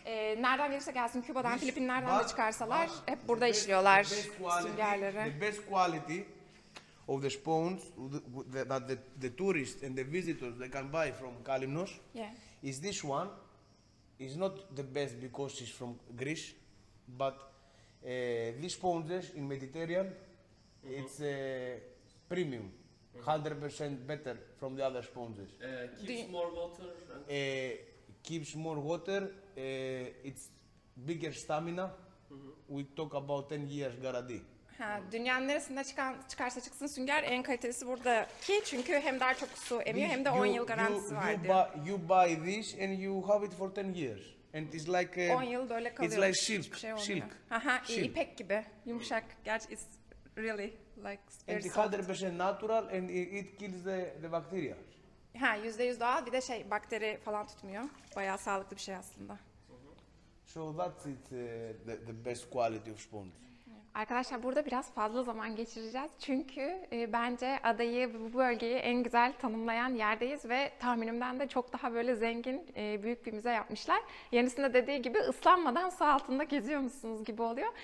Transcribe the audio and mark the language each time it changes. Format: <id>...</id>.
<tr>Nereden gelirse gelsin, Küba'dan, Filipinler'den de çıkarsalar hep burada işliyorlar süngerleri.</tr> <en>The best quality of the spawns that the tourists and the visitors they can buy from Kalymnos is this one. It's not the best because it's from Greece, but these sponges in Mediterranean, it's premium, 100% better from the other sponges. Keeps more water. Keeps more water. It's bigger stamina. We talk about 10 years guarantee.</en> <tr>Ha, dünyanın neresinde çıkarsa çıksın sünger en kalitesi buradaki, çünkü hem daha çok su emiyor hem de 10 yıl garantisi var diyor.</tr> <en>You buy this and you have it for 10 years and it's like</en> <tr>10 yıl böyle kalıyor.</tr> <en>It's like silk.</en> <tr>Hiçbir şey olmuyor.</tr> <en>Silk.</en> <tr>Aha, silk. İpek gibi yumuşak. Gerçi</tr> <en>it's really like very soft. 100% natural and it kills the bacteria.</en> <tr>Ha, %100 doğal, bir de şey bakteri falan tutmuyor. Bayağı sağlıklı bir şey aslında.</tr> <en>So that's it, the best quality of sponge.</en> <tr>Arkadaşlar burada biraz fazla zaman geçireceğiz çünkü bence adayı, bu bölgeyi en güzel tanımlayan yerdeyiz ve tahminimden de çok daha böyle zengin, büyük bir müze yapmışlar. Yenisinde dediği gibi ıslanmadan su altında geziyor musunuz gibi oluyor.</tr>